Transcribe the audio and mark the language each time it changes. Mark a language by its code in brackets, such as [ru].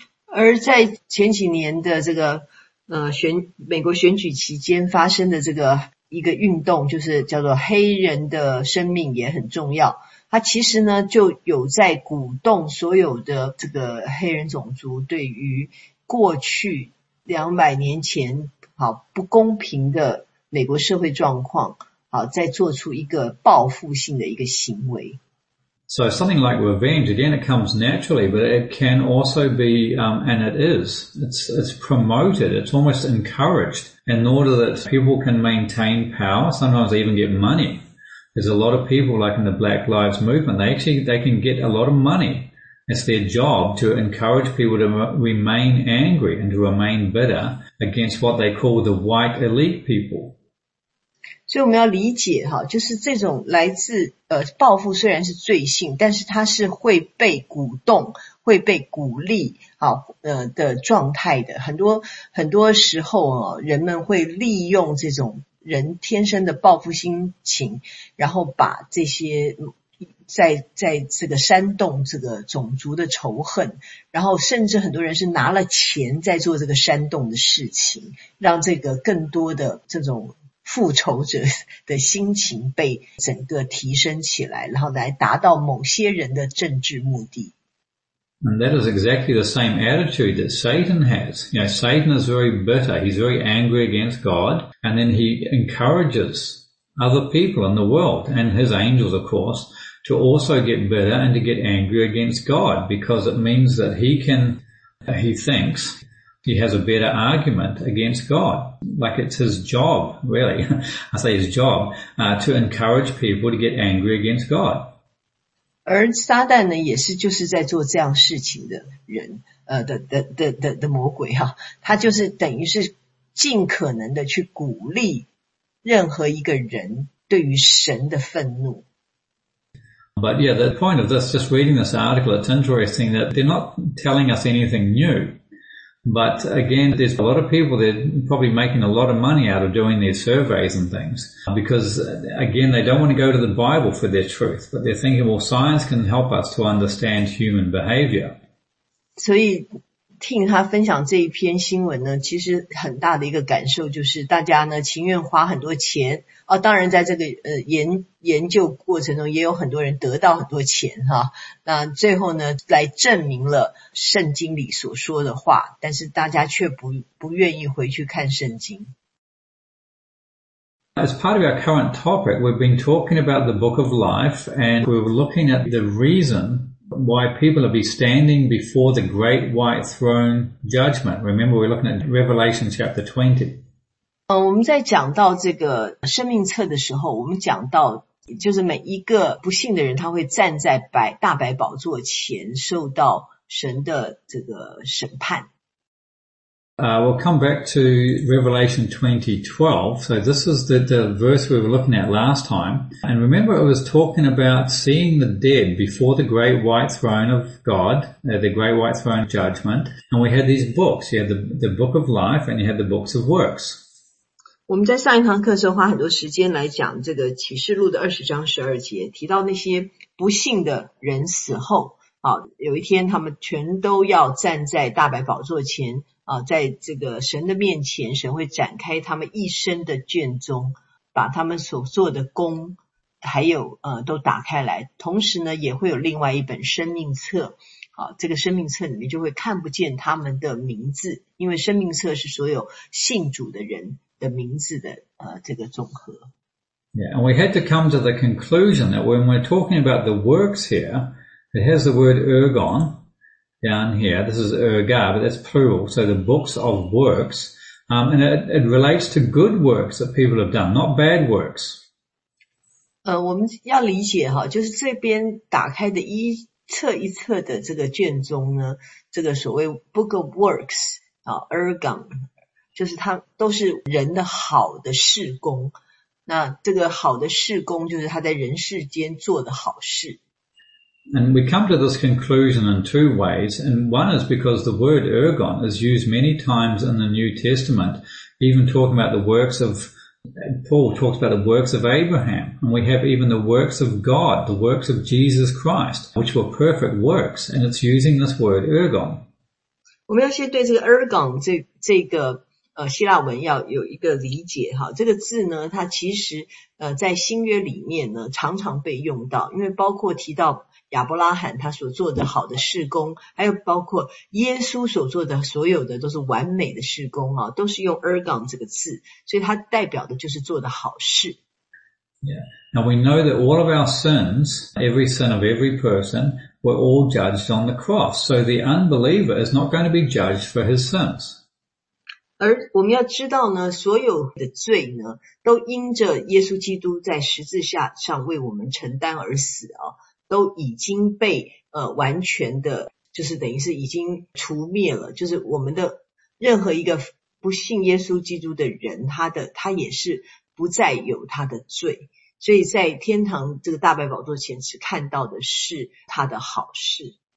[zh] 而在前几年的这个美国选举期间发生的这个一个运动，就是叫做黑人的生命也很重要。他其实呢就有在鼓动所有的这个黑人种族对于过去200年前不公平的美国社会状况再做出一个报复性的一个行为。 [en] So something like revenge, again, it comes naturally, but it can also be, and it is, it's promoted, it's almost encouraged in order that people can maintain power, sometimes even get money. There's a lot of people like in the Black Lives Movement, they can get a lot of money. It's their job to encourage people to remain angry and to remain bitter against what they call the white elite people. [zh] 所以我们要理解就是这种来自报复虽然是罪性，但是它是会被鼓动会被鼓励的状态的。很多时候人们会利用这种人天生的报复心情，然后把这些在这个煽动这个种族的仇恨，然后甚至很多人是拿了钱在做这个煽动的事情，让这个更多的这种复仇者的心情被整个提升起来，然后来达到某些人的政治目的。 [en] And that is exactly the same attitude that Satan has. You know, Satan is very bitter. He's very angry against God. And then he encourages other people in the world and his angels, of course, to also get bitter and to get angry against God because it means that he thinks he has a better argument against God. Like it's his job, really. I say his job, to encourage people to get angry against God. [zh] 而撒旦呢也是就是在做这样事情的人的魔鬼他就是等于是尽可能的去鼓励任何一个人对于神的愤怒。 [en] But yeah, the point of this, just reading this article, it's interesting that they're not telling us anything new. But again, there's a lot of people that are probably making a lot of money out of doing their surveys and things. Because again, they don't want to go to the Bible for their truth, but they're thinking, well, science can help us to understand human behavior. [zh] 所以听他分享这一篇新闻呢，其实很大的一个感受就是大家呢情愿花很多钱当然在这个研究过程中也有很多人得到很多钱那最后呢来证明了圣经里所说的话，但是大家却不愿意回去看圣经。 [en] As part of our current topic, we've been talking about the Book of Life, and we're looking at the reason why people will be standing before the great white throne judgment. Remember, we're looking at Revelation chapter 20. [zh] 我们在讲到这个生命册的时候，我们讲到就是每一个不幸的人，他会站在大白宝座前，受到神的这个审判。 [en] We'll come back to Revelation 20:12. So this is the verse we were looking at last time. And remember, it was talking about seeing the dead before the great white throne of God, the great white throne judgment. And we had these books. You had the Book of Life and you had the Books of Works. [zh] 我们在上一堂课的时候花很多时间来讲这个启示录的20章12节，提到那些不幸的人死后，有一天他们全都要站在大白宝座前，在这个神的面前，神会展开他们一生的卷宗，把他们所做的功还有都打开来，同时呢也会有另外一本生命册，这个生命册里面就会看不见他们的名字，因为生命册是所有信主的人的名字的这个总和。 [en] Yeah, and we had to come to the conclusion that when we're talking about the works here, it has the word ergon down here. This is erga, but that's plural. So the books of works, and it relates to good works that people have done, not bad works. [zh] 我们要理解哈，就是这边打开的一册一册的这个卷宗呢，这个所谓 [en] book of works [zh] 啊 ，ergon。就是他都是人的好的事工，那这个好的事工就是他在人世间做的好事。 [en] And we come to this conclusion in two ways, and one is because the word ergon is used many times in the New Testament, even talking about the works of, Paul talks about the works of Abraham, and we have even the works of God, the works of Jesus Christ, which were perfect works, and it's using this word ergon. [zh] 我们要先对这个 ergon 这个希腊文要有一个理解哈，这个字呢，它其实在新约里面呢常常被用到，因为包括提到亚伯拉罕他所做的好的事工，还有包括耶稣所做的所有的都是完美的事工啊，都是用 ergon 这个字，所以它代表的就是做的好事。 [en] Yeah, now we know that all of our sins, every sin of every person, were all judged on the cross. So the unbeliever is not going to be judged for his sins. [zh] 而我们要知道呢，所有的罪呢，都因着耶稣基督在十字架上为我们承担而死啊，都已经被完全的，就是等于是已经除灭了。就是我们的任何一个不信耶稣基督的人，他也是不再有他的罪，所以在天堂这个大白宝座前，只看到的是他的好事。